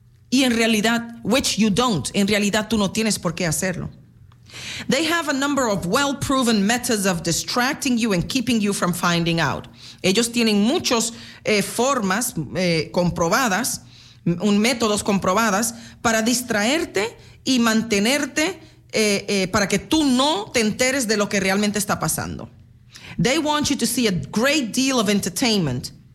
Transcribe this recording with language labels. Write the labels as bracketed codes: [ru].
[es] Y en realidad, [en] which you don't, [es] en realidad tú no tienes por qué hacerlo. [en] They have a number of well-proven methods of distracting you and keeping you from finding out. [es] Ellos tienen muchas formas comprobadas, métodos comprobadas para distraerte y mantenerte, para que tú no te enteres de lo que realmente está pasando. [en] They want you to see a great deal of entertainment.